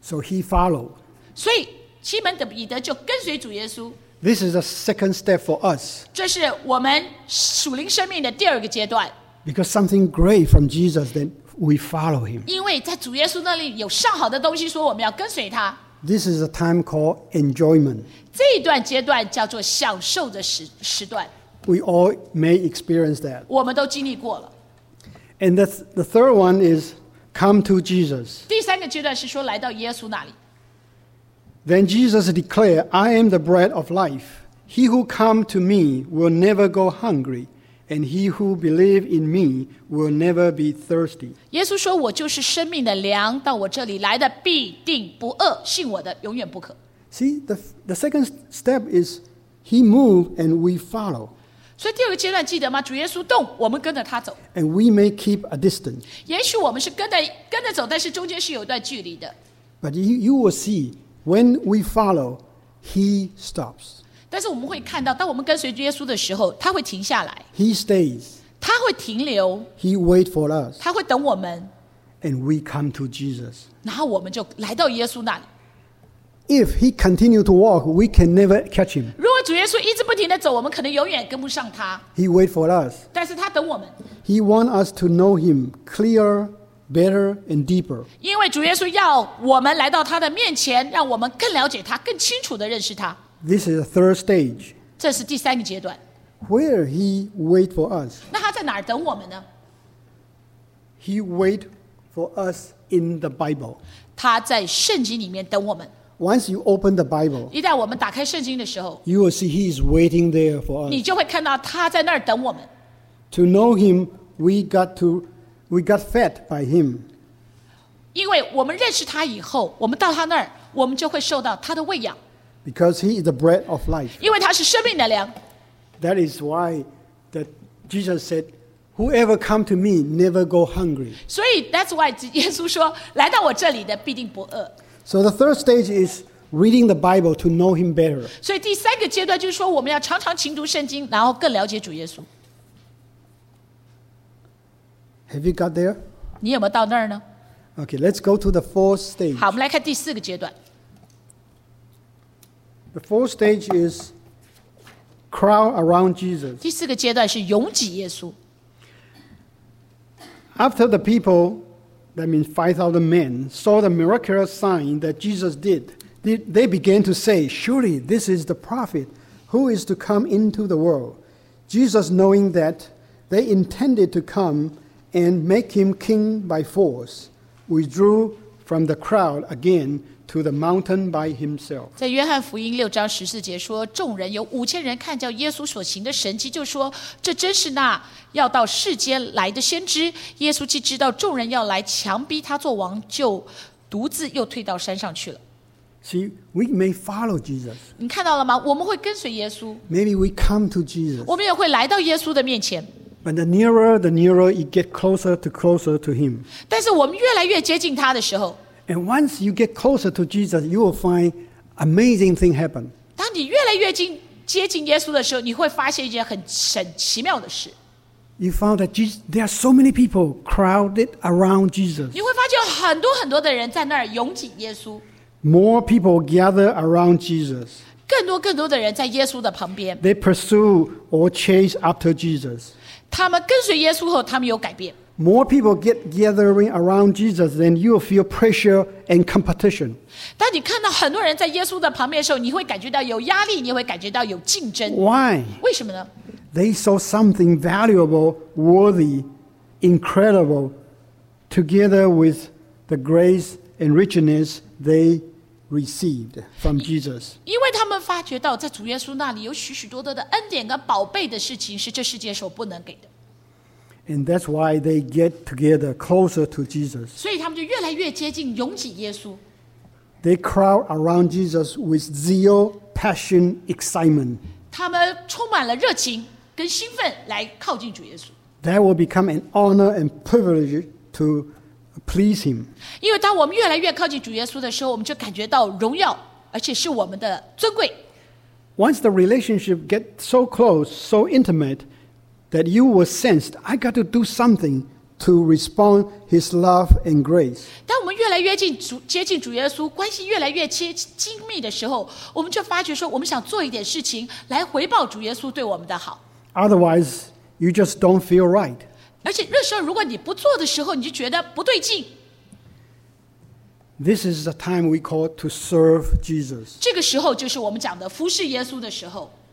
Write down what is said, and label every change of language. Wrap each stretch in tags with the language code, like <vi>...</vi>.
<en>So he followed.</en> <zh>所以西门的彼得就跟随主耶稣。</zh> <en>This is a second step for us.</en> <zh>这是我们属灵生命的第二个阶段。</zh> <en>Because something great from Jesus, then we follow him.</en> <zh>因为在主耶稣那里有上好的东西，说我们要跟随他。</zh> <en>This is a time called enjoyment.</en> <zh>这一段阶段叫做享受的时段。</zh> <en>We all may experience that.</en> <zh>我们都经历过了。</zh> <en>And the third one is come to Jesus.</en> <zh>第三个阶段是说来到耶稣那里。</zh> <en>Then Jesus declared, I am the bread of life. He who come to me will never go hungry. And he who believe in me will never be thirsty.</en> <zh>耶稣说我就是生命的粮，到我这里来的必定不饿，信我的永远不渴。</zh> <en>See, the second step is he moved and we follow.</en> <zh>所以第二个阶段记得吗？主耶稣动，我们跟着他走。</zh> <en>And we may keep a distance.</en> <zh>也许我们是跟着走，但是中间是有一段距离的。</zh> <en>But you will see when we follow, he stops.</en> <zh>但是我们会看到，当我们跟随耶稣的时候，他会停下来。</zh> <en>He stays.</en> <zh>他会停留。</zh> <en>He wait for us.</en> <zh>他会等我们。</zh> <en>And we come to Jesus.</en> <zh>然后我们就来到耶稣那里。</zh> <en>If he continue to walk, we can never catch him.</en> <zh>如果主耶稣一直不停地走，我们可能永远跟不上他。</zh> <en>He wait for us.</en> <zh>但是他等我们。</zh> <en>He want us to know him clearer, better, and deeper.</en> <zh>因为主耶稣要我们来到他的面前，让我们更了解他，更清楚地认识他。</zh> <en>This is the third stage.</en> <zh>这是第三个阶段。</zh> <en>Where he wait for us?</en> <zh>那他在哪儿等我们呢？</zh> <en>He wait for us in the Bible.</en> <zh>他在圣经里面等我们。</zh> <en>Once you open the Bible,</en> <zh>一旦我们打开圣经的时候</zh> <en>you will see he is waiting there for us.</en> <zh>你就会看到他在那儿等我们。</zh> <en>To know him, we got fed by him.</en> <zh>因为我们认识他以后，我们到他那儿，我们就会受到他的喂养。</zh> <en>Because he is the bread of life.</en> <zh>因为他是生命的粮。</zh> <en>That is why that Jesus said, Whoever come to me never go hungry.</en> <zh>所以</zh> <en>that's why</en> <zh>耶稣说来到我这里的必定不饿。</zh> <en>So the third stage is reading the Bible to know him better.</en> <zh>所以第三个阶段就是说我们要常常勤读圣经，然后更了解主耶稣。</zh> <en>Have you got there?</en> <zh>你有没有到那儿呢？</zh> <en>Okay, let's go to the fourth stage.</en> <zh>好，我们来看第四个阶段。</zh> <en>The fourth stage is crowd around Jesus.</en> <zh>第四个阶段是拥挤耶稣。</zh> <en>After the people, that means 5,000 men, saw the miraculous sign that Jesus did, they began to say, surely this is the prophet who is to come into the world. Jesus, knowing that they intended to come and make him king by force, withdrew from the crowd again to the mountain by himself.</en> <zh>在约翰福音六章十四节说，众人有五千人看见耶稣所行的神迹，就说这真是那要到世间来的先知。耶稣既知道众人要来强逼他做王，就独自又退到山上去了。</zh> <en>See, we may follow Jesus.</en> <zh>你看到了吗？我们会跟随耶稣。</zh> <en>Maybe we come to Jesus.</en> <zh>我们也会来到耶稣的面前。</zh> <en>But the nearer you get closer to him.</en> <zh>但是我们越来越接近他的时候。</zh> <en>And once you get closer to Jesus, you will find amazing things happen.</en> <zh>当你越来越近接近耶稣的时候，你会发现一件很奇妙的事。</zh> <en>You found that there are so many people crowded around Jesus.</en> <zh>你会发现很多很多的人在那儿拥挤耶稣。</zh> <en>More people gather around Jesus.</en> <zh>更多更多的人在耶稣的旁边。</zh> <en>They pursue or chase after Jesus.</en> <zh>他们跟随耶稣后，他们有改变。</zh> <en>More people get gathering around Jesus, then you will feel pressure and competition.</en> <zh>当你看到很多人在耶稣的旁边的时候，你会感觉到有压力，你会感觉到有竞争。</zh> <en>Why?</en> <zh>为什么呢？</zh> <en>They saw something valuable, worthy, incredible, together with the grace and richness they received from Jesus.</en> <zh>因为他们发觉到在主耶稣那里有许许多多的恩典跟宝贝的事情是这世界所不能给的。</zh> <en>And that's why they get together closer to Jesus.</en> <zh>所以他们就越来越接近拥挤耶稣。</zh> <en>They crowd around Jesus with zeal, passion, excitement.</en> <zh>他们充满了热情跟兴奋来靠近主耶稣。</zh> <en>That will become an honor and privilege to please him.</en> <zh>因为当我们越来越靠近主耶稣的时候，我们就感觉到荣耀，而且是我们的尊贵。</zh> <en>Once the relationship gets so close, so intimate,that you will sense, I got to do something to respond his love and grace.</en> <zh>当我们越来越接近主耶稣，关系越来越亲密的时候，我们就发觉说，我们想做一点事情来回报主耶稣对我们的好。</zh> <en>Otherwise, you just don't feel right.</en> <zh>而且那时候如果你不做的时候，你就觉得不对劲。</zh> <en>This is the time we call to serve Jesus.</en> <zh>这个时候就是我们讲的服侍耶稣的时候。</zh>